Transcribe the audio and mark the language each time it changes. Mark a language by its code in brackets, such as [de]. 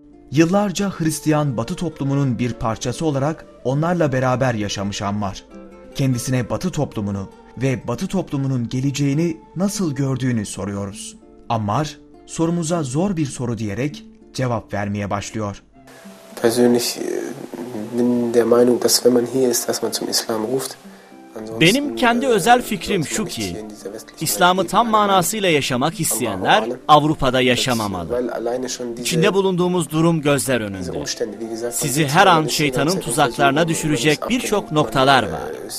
[tr] Yıllarca Hristiyan Batı toplumunun bir parçası olarak onlarla beraber yaşamış Ammar, kendisine Batı toplumunu ve Batı toplumunun geleceğini nasıl gördüğünü soruyoruz. Ammar, sorumuza zor bir soru diyerek cevap vermeye başlıyor. [de] Persönlich bin der Meinung, dass wenn man hier ist, dass man zum Islam ruft. [tr] Benim kendi özel fikrim şu ki, İslam'ı tam manasıyla yaşamak isteyenler Avrupa'da yaşamamalı. İçinde bulunduğumuz durum gözler önünde. Sizi her an şeytanın tuzaklarına düşürecek birçok noktalar var.